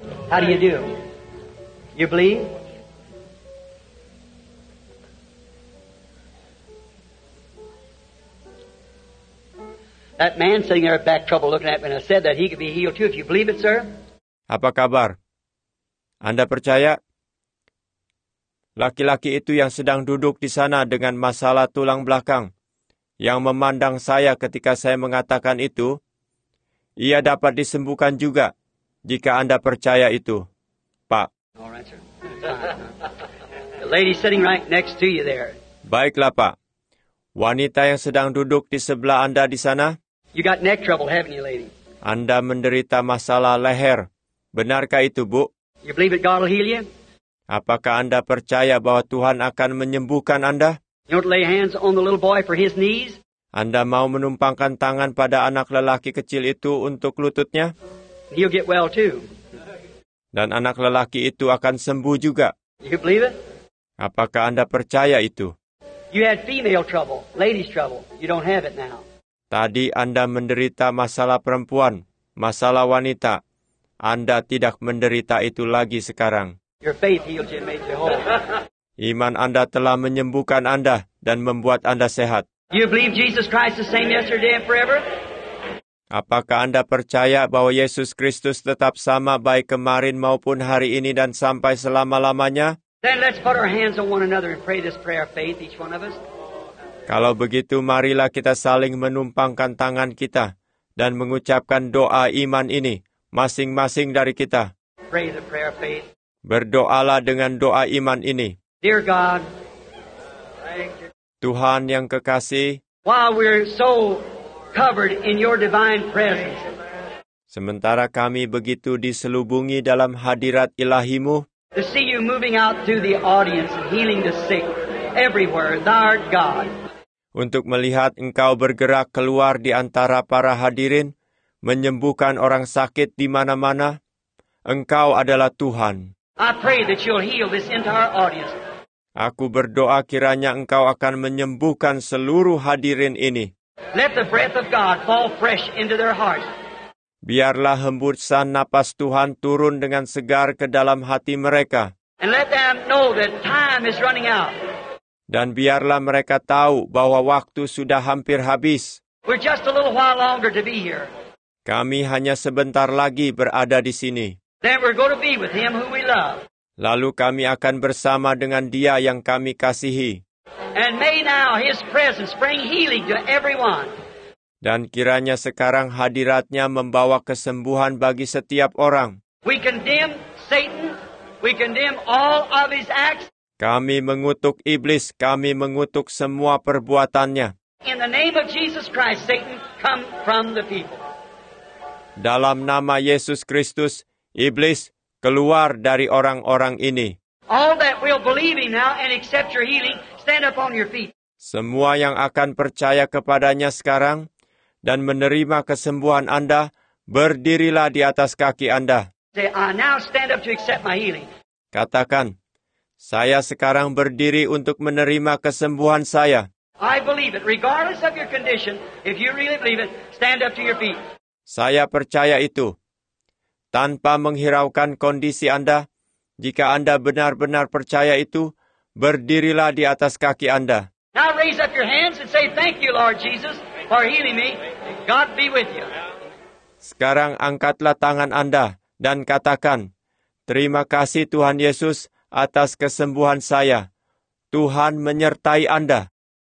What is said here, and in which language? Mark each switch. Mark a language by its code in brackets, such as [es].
[en] How do you do? You believe? That man sitting there with back trouble looking at me and I said that he could be healed too. If you believe it, sir? [id] Apa kabar? Anda percaya? Laki-laki itu yang sedang duduk di sana dengan masalah tulang belakang, yang memandang saya ketika saya mengatakan itu, ia dapat disembuhkan juga, jika Anda percaya itu, Pak. [en] All right, sir. The lady sitting right next to you there. [id] Baiklah, Pak. Wanita yang sedang duduk di sebelah Anda di sana, [en] you got neck trouble, haven't you, lady? [id] Anda menderita masalah leher. Benarkah itu, Bu? [en] You believe that God will heal you? [id] Apakah Anda percaya bahwa Tuhan akan menyembuhkan Anda? [en] You want to lay hands on the little boy for his knees? [id] Anda mau menumpangkan tangan pada anak lelaki kecil itu untuk lututnya? [en] He'll get well too. [id] Dan anak lelaki itu akan sembuh juga. [en] You believe it? [id] Apakah Anda percaya itu? [en] You had female trouble, ladies trouble. You don't have it now. [id] Tadi Anda menderita masalah perempuan, masalah wanita. Anda tidak menderita itu lagi sekarang. [en] Your faith healed you and made you whole. [id] Iman Anda telah menyembuhkan Anda dan membuat Anda sehat. [en] You believe Jesus Christ the same yesterday and forever? [id] Apakah Anda percaya bahwa Yesus Kristus tetap sama baik kemarin maupun hari ini dan sampai selama-lamanya? [en] Then let's put our hands on one another and pray this prayer of faith, each one of us. [id] Kalau begitu, marilah kita saling menumpangkan tangan kita dan mengucapkan doa iman ini, masing-masing dari kita. [en] Pray the prayer of faith. [id] Berdoalah dengan doa iman ini. [en] Dear God, [id] Tuhan yang kekasih, [en] while we're so covered in your divine presence, [id] sementara kami begitu diselubungi dalam hadirat ilahimu, [en] to see you moving out through the audience and healing the sick everywhere, thou art God. [id] Untuk melihat engkau bergerak keluar di antara para hadirin, menyembuhkan orang sakit di mana-mana, engkau adalah Tuhan. [en] I pray that you'll heal this entire audience. [id] Aku berdoa kiranya engkau akan menyembuhkan seluruh hadirin ini. [en] Let the breath of God fall fresh into their hearts. [id] Biarlah hembusan napas Tuhan turun dengan segar ke dalam hati mereka. [en] And let them know that time is running out. [id] Dan biarlah mereka tahu bahwa waktu sudah hampir habis. [en] We're just a little while longer to be here. [id] Kami hanya sebentar lagi berada di sini. [en] Then we're going to be with him who we love. [id] Lalu kami akan bersama dengan dia yang kami kasihi. [en] And may now his presence bring healing to everyone. [id] Dan kiranya sekarang hadiratnya membawa kesembuhan bagi setiap orang. [en] We condemn Satan. We condemn all of his acts. [id] Kami mengutuk iblis. Kami mengutuk semua perbuatannya. [en] In the name of Jesus Christ, Satan, come from the people. [id] Dalam nama Yesus Kristus, iblis, keluar dari orang-orang ini. [en] All that will believe him now and accept your healing, stand up on your feet. [id] Semua yang akan percaya kepadanya sekarang dan menerima kesembuhan Anda, berdirilah di atas kaki Anda. [en] Say, I now stand up to accept my healing. [id] Katakan, saya sekarang berdiri untuk menerima kesembuhan saya. [en] I believe it, regardless of your condition, if you really believe it, stand up to your feet. [id] Saya percaya itu. Tanpa menghiraukan kondisi Anda, jika Anda benar-benar percaya itu, berdirilah di atas kaki Anda. [en] Now raise up your hands and say, thank you, Lord Jesus, for healing me. God be with you. [id] Sekarang angkatlah tangan Anda dan katakan, terima kasih Tuhan Yesus atas kesembuhan saya. Tuhan menyertai Anda.